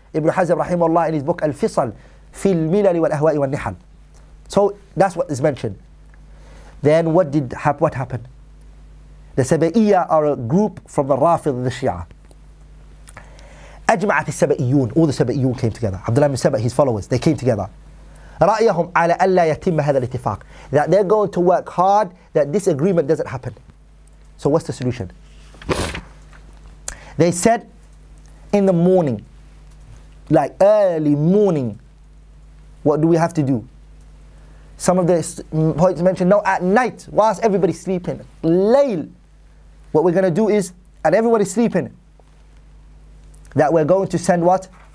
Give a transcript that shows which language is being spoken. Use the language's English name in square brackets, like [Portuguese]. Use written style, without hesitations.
[English] Ibn Hazm, rahimahullah, in his book Al-Fisal, fi al-Milal wal-Ahwa'i wal-Nihal. So that's what is mentioned. Then what happened? The Sabaiya are a group from the Rafid and the Shia. أجمعت السبئيون. All the Sabaiyun came together. Abdullah ibn Sabah, his followers, they came together. [Arabic] رأيهم على ألا يتم هذا الاتفاق. [English] That they're going to work hard that this agreement doesn't happen. So what's the solution? They said in the morning, like early morning, what do we have to do? Some of the poets mentioned, no, at night, whilst everybody's sleeping, layl, what we're going to do is, and everyone is sleeping, that we're going to send what?